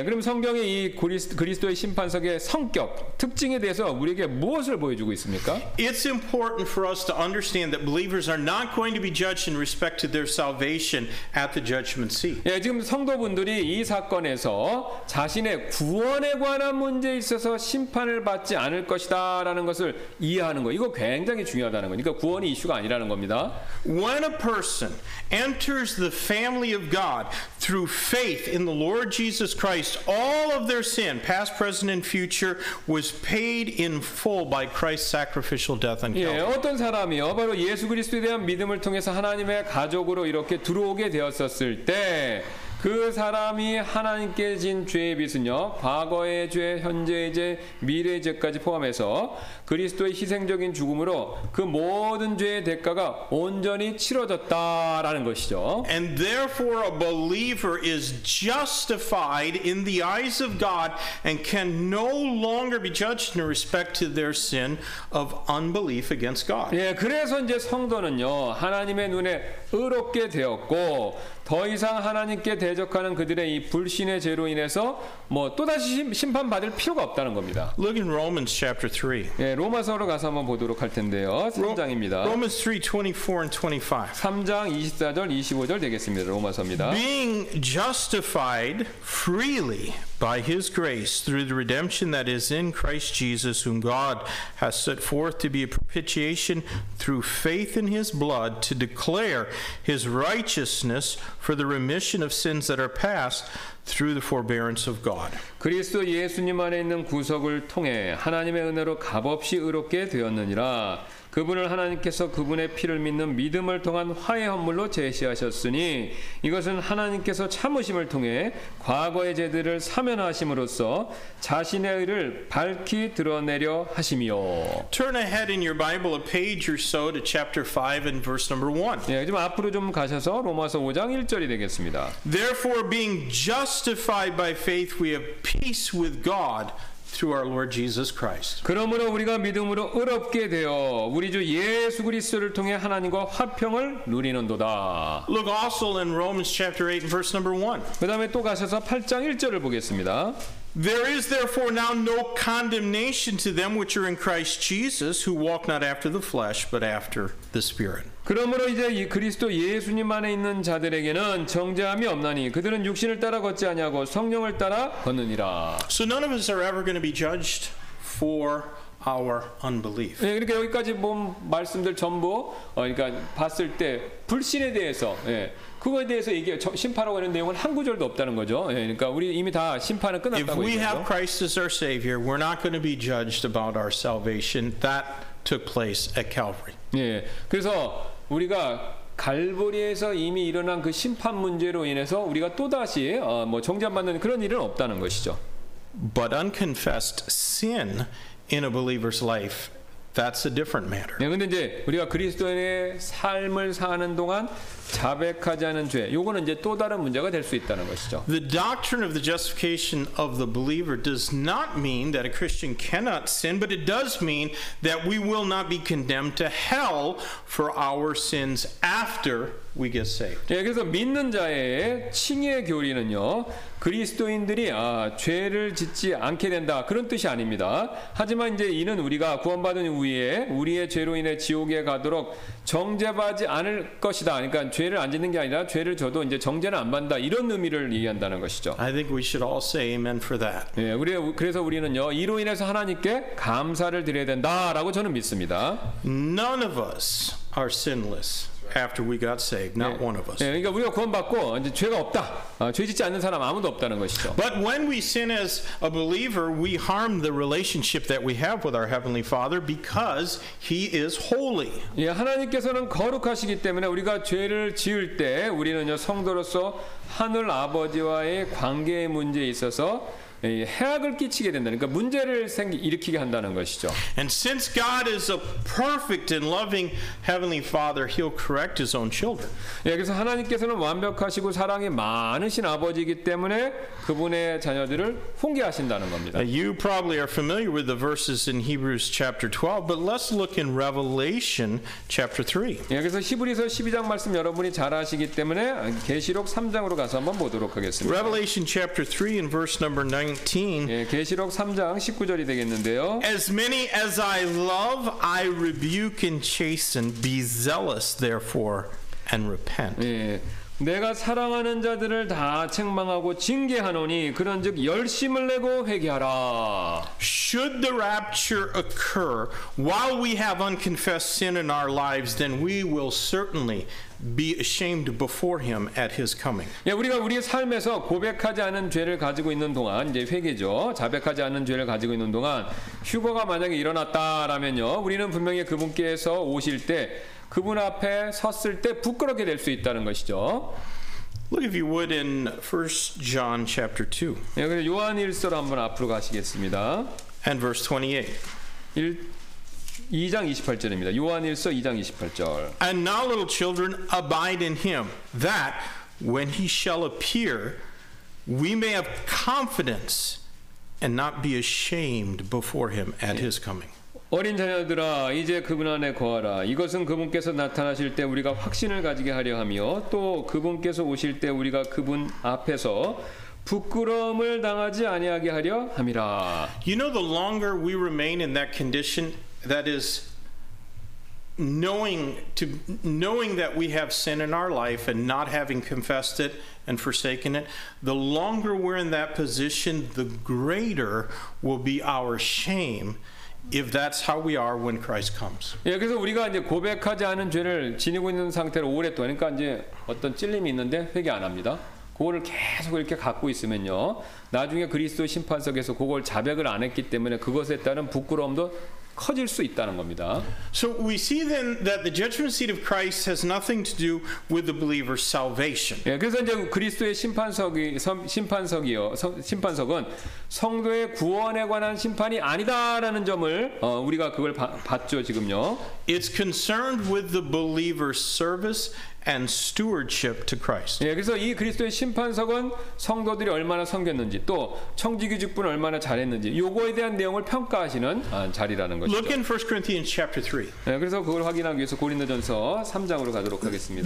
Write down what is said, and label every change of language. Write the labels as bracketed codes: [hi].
[ko] 예, 그럼 성경이 이 그리스도의 심판석의 성격 특징에 대해서 우리에게 무엇을 보여주고 있습니까? [en] It's important for us to understand that believers are not going to be judged in respect to their salvation at the judgment seat. [ko] 예, 지금 성도분들이 이 사건에서 자신의 구원에 관한 문제에 있어서 심판을 받지 않을 것이다라는 것을 이해하는 거 이거 굉장히 중요하다는 거니까 구원이 이슈가 아니라는 겁니다. [en] When a person enters the family of God through faith in the Lord Jesus Christ, all of their sin, past, present, and future, was paid in full by Christ's sacrificial death on Calvary. [ko] 예, 어떤 사람이요, 바로 예수 그리스도에 대한 믿음을 통해서 하나님의 가족으로 이렇게 들어오게 되었었을 때. 그 사람이 하나님께 진 죄의 빚은요, 과거의 죄, 현재의 죄, 미래의 죄까지 포함해서 그리스도의 희생적인 죽음으로 그 모든 죄의 대가가 온전히 치러졌다라는 것이죠. [en] And therefore a believer is justified in the eyes of God and can no longer be judged in respect to their sin of unbelief against God. [ko] 예, 그래서 이제 성도는요, 하나님의 눈에 의롭게 되었고 더 이상 하나님께 대적하는 그들의 이 불신의 죄로 인해서 뭐 또다시 심판받을 필요가 없다는 겁니다. [en] Look in Romans chapter 3. [ko] 예, 로마서로 가서 한번 보도록 할 텐데요. 3장입니다. [en] Romans 3, 24 and 25. [ko] 3장 24절, 25절 되겠습니다. 로마서입니다. [en] Being justified freely by his grace through the redemption that is in Christ Jesus whom God has set forth to be a propitiation through faith in his blood to declare his righteousness for the remission of sins that are past through the forbearance of God. [ko] 그리스도 예수님 안에 있는 구속을 통해 하나님의 은혜로 값없이 의롭게 되었느니라. 그분을 하나님께서 그분의 피를 믿는 믿음을 통한 화해 헌물로 제시하셨으니 이것은 하나님께서 참으심을 통해 과거의 죄들을 사면하심으로써 자신의 의를 밝히 드러내려 하심이요. [en] Turn ahead in your Bible a page or so to chapter 5 and verse number 1. [ko] 예, 좀 앞으로 좀 가셔서 로마서 5장 1절이 되겠습니다. [en] Therefore being justified by faith we have peace with God. Through our Lord Jesus Christ. [ko] 그러므로 우리가 믿음으로 의롭게 되어 우리 주 예수 그리스도를 통해 하나님과 화평을 누리는도다. [en] Look also in Romans chapter 8 and verse number 1. [ko] 그다음에 또 가셔서 8장 1절을 보겠습니다. [en] There is therefore now no condemnation to them which are in Christ Jesus who walk not after the flesh but after the Spirit. [ko] 그러므로 이제 이 그리스도 예수님 안에 있는 자들에게는 정죄함이 없나니 그들은 육신을 따라 걷지 아니하고 성령을 따라 걷느니라. [en] So none of us are ever going to be judged for our unbelief. [ko] 예, 그러니까 여기까지 본 말씀들 전부 그러니까 봤을 때 불신에 대해서 예. 그거에 대해서 얘기해요. 심판하고 있는 내용은 한 구절도 없다는 거죠. 예, 그러니까 우리 이미 다 심판은 끝났다고 얘기해요. [en] If we have Christ as our savior, we're not going to be judged about our salvation. That took place at Calvary. [ko] 예. 그래서 우리가 갈보리에서 이미 일어난 그 심판 문제로 인해서 우리가 또다시 뭐 정죄받는 그런 일은 없다는 것이죠. [en] But unconfessed sin in a believer's life, that's a different matter. [ko] 네, 근데 이제 우리가 그리스도인의 삶을 사는 동안 자백하지 않은 죄, 요거는 이제 또 다른 문제가 될 수 있다는 것이죠. [en] The doctrine of the justification of the believer does not mean that a Christian cannot sin, but it does mean that we will not be condemned to hell for our sins after we get saved. [ko] 네, 그래서 믿는 자의 칭의 교리는요. 그리스도인들이 아, 죄를 짓지 않게 된다 그런 뜻이 아닙니다. 하지만 이제 이는 우리가 구원받은 후에 우리의 죄로 인해 지옥에 가도록 정죄받지 않을 것이다. 그러니까 죄를 안 짓는 게 아니라 죄를 져도 이제 정죄는 안 받는다 이런 의미를 얘기한다는 것이죠. [en] I think we should all say amen for that. [ko] 예, 우리 그래서 우리는요 이로 인해서 하나님께 감사를 드려야 된다라고 저는 믿습니다. [en] None of us are sinless. After we got saved, not [ko] 예, [en] one of us. [ko] 예, 그러니까 우리가 구원받고 이제 죄가 없다. 아, 죄 짓지 않는 사람 아무도 없다는 것이죠. [en] But when we sin as a believer, we harm the relationship that we have with our heavenly Father because He is holy. [ko] 예, 하나님께서는 거룩하시기 때문에 우리가 죄를 지을 때 우리는요 성도로서 하늘 아버지와의 관계의 문제에 있어서 해악을 끼치게 된다. 그러니까 문제를 일으키게 한다는 것이죠. [en] And since God is a perfect and loving heavenly Father, He'll correct His own children. [ko] 예, 그래서 하나님께서는 완벽하시고 사랑이 많으신 아버지이기 때문에 그분의 자녀들을 훈계하신다는 겁니다. [en] You probably are familiar with the verses in Hebrews chapter 12, but let's look in Revelation chapter 3. [ko] 예, 그래서 히브리서 12장 말씀 여러분이 잘 아시기 때문에 계시록 3장으로 가서 한번 보도록 하겠습니다. [en] Revelation chapter 3 and verse number 9. [ko] 계시록 3장 19절이 되겠는데요. [en] As many as I love, I rebuke and chasten. Be zealous, therefore, and repent. [ko] 예, 내가 사랑하는 자들을 다 책망하고 징계하노니 그런즉 열심을 내고 회개하라. [en] Should the rapture occur while we have unconfessed sin in our lives, then we will certainly be ashamed before him at his coming. [ko] 예, 우리가 우리 삶에서 고백하지 않은 죄를 가지고 있는 동안 이제 회개죠. 자백하지 않은 죄를 가지고 있는 동안 휴거가 만약에 일어났다라면요. 우리는 분명히 그분께서 오실 때 그분 앞에 섰을 때 부끄럽게 될 수 있다는 것이죠. [en] Look if you would in 1 John chapter 2. [ko] 예, 그래서 요한일서로 한번 앞으로 가시겠습니다. [en] And verse 28. [ko] 2장 28절입니다. 요한일서 2장 28절. [en] And now little children abide in him that when he shall appear we may have confidence and not be ashamed before him at his coming. [ko] 어린 자녀들아 이제 그분 안에 거하라. 이것은 그분께서 나타나실 때 우리가 확신을 가지게 하려 하며 또 그분께서 오실 때 우리가 그분 앞에서 부끄러움을 당하지 아니하게 하려 함이라. [en] You know the longer we remain in that condition, that is knowing that we have sin in our life and not having confessed it and forsaken it, the longer we're in that position, the greater will be our shame if that's how we are when Christ comes. [ko] 예, 그래서 우리가 이제 고백하지 않은 죄를 지니고 있는 상태로 오랫동안 그러니까 이제 어떤 찔림이 있는데 회개 안 합니다. 그거를 계속 이렇게 갖고 있으면요, 나중에 그리스도 심판석에서 그걸 자백을 안 했기 때문에 그것에 따른 부끄러움도 커질 수 있다는 겁니다. [en] So we see then that the judgment seat of Christ has nothing to do with the believer's salvation. [ko] 예, 그래서 이제 그리스도의 심판석이요, 심판석은 성도의 구원에 관한 심판이 아니다라는 점을 우리가 그걸 봤죠 지금요. [en] It's concerned with the believer's service and stewardship to Christ. [ko] 예, 그래서 이 그리스도의 심판석은 성도들이 얼마나 섬겼는지 또 청지기 직분을 얼마나 잘했는지 요거에 대한 내용을 평가하시는 자리라는 것이죠. [en] Look in 1 Corinthians chapter 3. [ko] 예, 그래서 그걸 확인하기 위해서 고린도전서 3장으로 가도록 하겠습니다.